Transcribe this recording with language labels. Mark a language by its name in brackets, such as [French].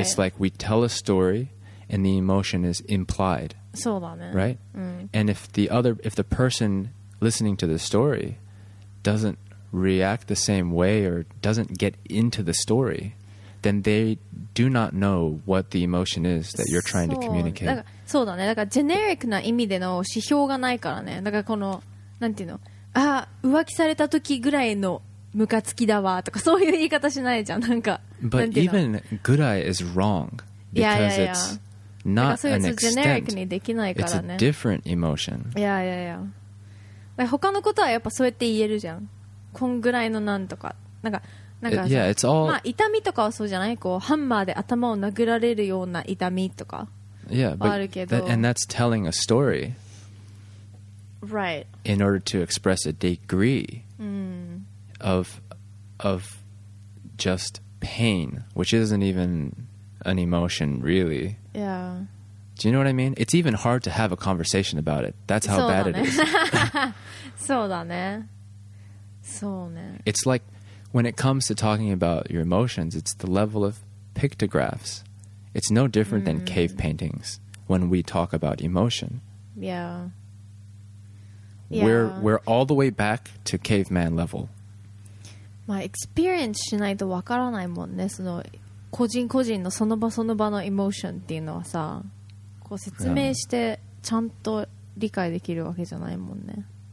[English] It's like we tell a story and the emotion is implied. [Japanese] そうだね。 [English] Right? Mm. And if the person listening to the story doesn't react the same way or doesn't get into the story, then they do not know what the emotion is that you're trying to communicate. [Japanese] そうだね。だからジェネリックな意味での指標がないからね。だからこの、なんていうの? あ、浮気された時ぐらいのムカつきだわとかそういう言い方しないじゃん。なんか、 [English] But even ぐらい is wrong because it's not an extent. [Japanese] ジェネリックにできないからね。 [English] It's a different emotion. [Japanese] いや。他のことはやっぱそうやって言えるじゃん。こんぐらいのなんとか。なんか [English] yeah, it's all... [Japanese] まあ痛みとかはそうじゃない?こうハンマーで頭を殴られるような痛みとかはあるけど。 [English] Yeah, but and that's telling a story. Right. In order to express a degree. Mm. Of just pain, which isn't even an emotion, really. Yeah. Do you know what I mean? It's even hard to have a conversation about it. That's how bad it is. [Japanese] そうだね。そうね。 [English] It's like when it comes to talking about your emotions, it's the level of pictographs. It's no different than cave paintings when we talk about emotion. Yeah. We're all the way back to caveman level. [Japanese] まあ、エクスペリエンスしないとわからないもんね。その個人個人のその場その場のエモーションっていうのはさ、こう説明してちゃんと理解できるわけじゃないもんね。